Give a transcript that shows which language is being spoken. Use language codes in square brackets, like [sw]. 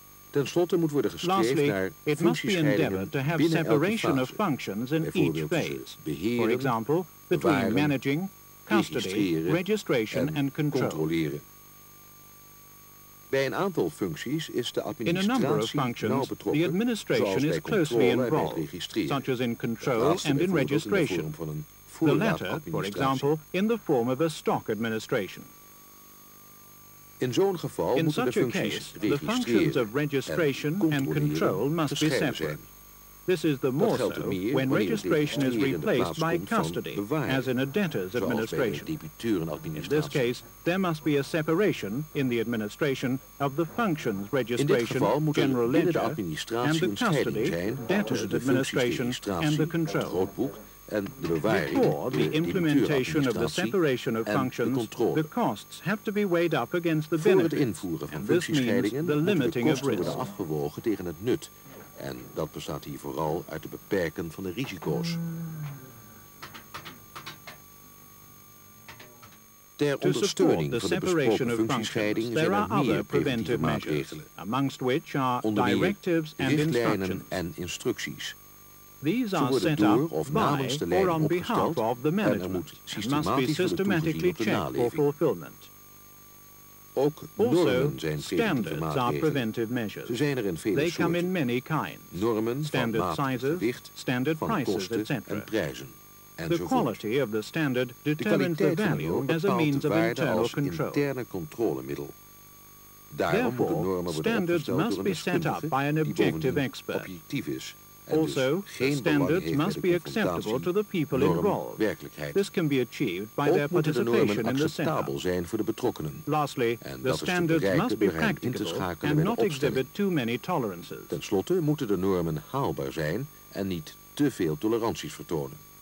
[nl] Ten slotte moet worden gestreefd naar functiescheidingen binnen elke fase, bijvoorbeeld beheren, bewaren, [en] custody, registration and control. [nl] Bij een aantal functies is de administratie nauw betrokken, zoals bij controle en bij registreren. [en] Such as in control and in registration. The latter, for example, in the form of a stock administration. [nl] In zo'n geval moeten de functies registreren en controleren gescheiden zijn. [en] This is the more so when registration is replaced by custody, as in a debtor's administration. In this case, there must be a separation in the administration of the functions registration, general ledger, and the custody, debtor's administration, and the control. Before the implementation of the separation of functions, the costs have to be weighed up against the benefits, and this means the limiting of risk. [nl] En dat bestaat hier vooral uit het beperken van de risico's. Ter ondersteuning van de besproken functiescheiding zijn er meer preventieve maatregelen. Onder meer richtlijnen en instructies. Ze worden door of namens de leiding opgesteld en er moet systematisch worden toegezien op de naleving. Ook normen zijn preventieve maatregelen. Ze zijn er in vele soorten. Normen van maat, gewicht, van kosten en prijzen. En zo goed. De kwaliteit van de norm bepaalt de waarde als interne controlemiddel. Daarom moet de normen worden opgesteld door een deskundige die bovendien objectief is. [en] Also, standards must be acceptable to the people involved. This can be achieved by their participation in the setup. Lastly, the standards must be practical and not exhibit too many tolerances. [nl] Ten slotte moeten de normen haalbaar zijn en niet te veel toleranties vertonen.